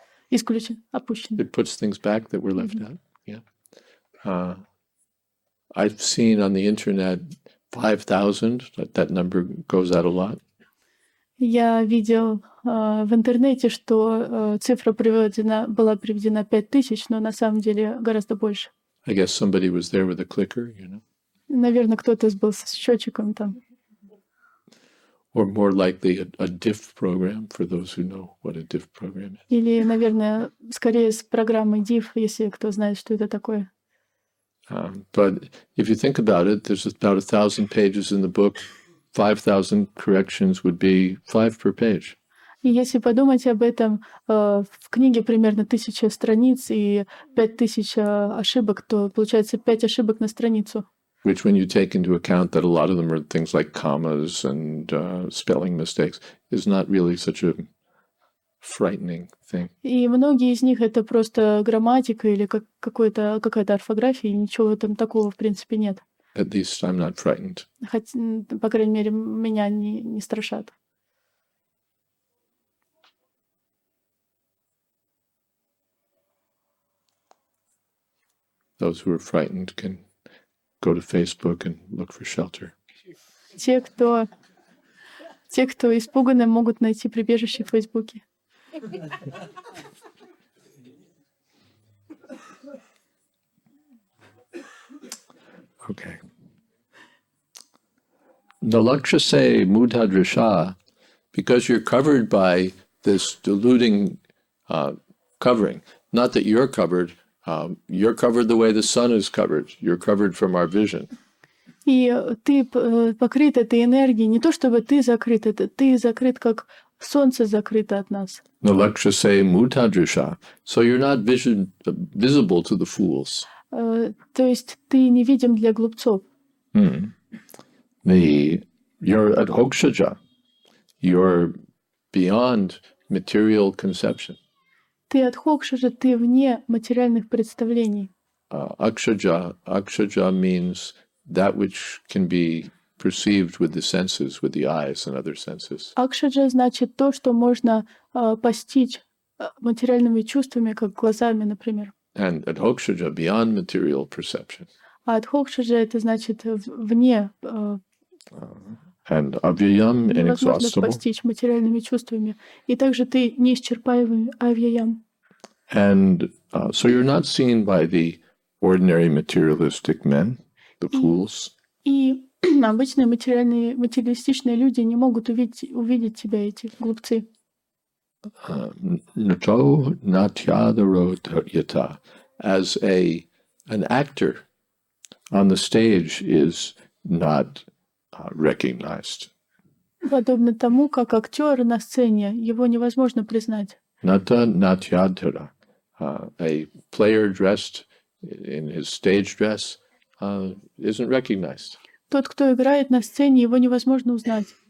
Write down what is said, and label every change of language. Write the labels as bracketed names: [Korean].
[English] It puts things back that were left out. Yeah. I've seen on the internet 5,000. That number goes out a lot. [Russian] Я видел в интернете, что цифра была приведена 5,000, но на самом деле гораздо больше. [English] I guess somebody was there with a clicker, you know. [Russian] Наверное, кто-то был с счетчиком там. [English] Or more likely a DIF program for those who know what a DIF program is. [Russian] Или, наверное, скорее с программой DIF, если кто знает, что это такое. [English] But if you think about it, there's about 1,000 pages in the book. 5,000 corrections would be 5 per page. [Russian] И если подумать об этом, в книге примерно 1000 страниц и 5000 ошибок, то получается 5 ошибок на страницу. [English] Which when you take into account that a lot of them are things like commas and spelling mistakes, is not really such a frightening thing. [Russian] И многие из них это просто грамматика или какая-то орфография, и ничего там такого в принципе нет. [English] At least I'm not frightened. [Russian] Хотя, по крайней мере, меня не страшат. [English] Those who are frightened can go to Facebook and look for shelter. [Russian] Те, кто испуганы, могут найти прибежище в Фейсбуке. [English] Okay. [Sanskrit] Nalakshase mudhadrisha, [English] because you're covered by this deluding covering, not that you're covered, you're covered the way the sun is covered. You're covered from our vision. [Russian] И ты покрыт этой энергией. Не то чтобы ты закрыт, это ты закрыт, как солнце закрыто от нас. [Sanskrit] Nalakshase mudhadrisha. [English] So you're not visible to the fools. [Russian] То есть ты невидим для глупцов. [English] You're adhokshaja. You're beyond material conception. [Russian] Ты адхокшаджа, ты вне материальных представлений. [English] Акшаджа means that which can be perceived with the senses, with the eyes and other senses. [Russian] Акшаджа значит то, что можно постичь материальными чувствами, как глазами, например. [English] And адхокшаджа beyond material perception. [Russian] А адхокшаджа это значит вне. [English] And авьяям inexhaustible. [Russian] Невозможно постичь материальными чувствами. И также ты неисчерпаемый авьяям. [English] And so you're not seen by the ordinary materialistic men, the fools. [Russian] И обычные материалистичные люди не могут увидеть тебя, эти глупцы. [Sanskrit] Нато натьядаро тьята. [English] As an actor on the stage is not recognized. [Russian] Подобно тому, как актер на сцене, его невозможно признать. [Sanskrit] Нато натьядаро. [English] A player dressed in his stage dress isn't recognized. [Russian] Тот, кто играет на сцене, его невозможно узнать.